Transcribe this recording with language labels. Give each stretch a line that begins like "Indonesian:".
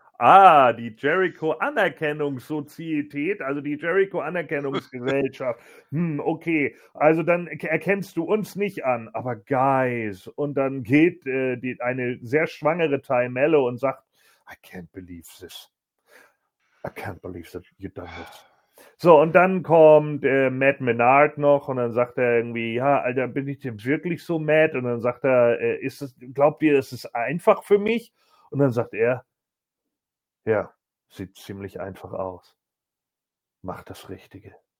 German: Ah, die Jericho-Anerkennungssozietät, also die Jericho-Anerkennungsgesellschaft. okay, also dann erkennst du uns nicht an, aber guys. Und dann geht eine sehr schwangere Ty Mello und sagt,
English: I can't believe this. I can't believe that you've done this.
German: So, und dann kommt Matt Menard noch und dann sagt er irgendwie, ja, Alter, bin ich denn wirklich so mad? Und dann sagt er, glaubt ihr, das ist einfach für mich? Und dann sagt er, ja, sieht ziemlich einfach aus. Mach das Richtige.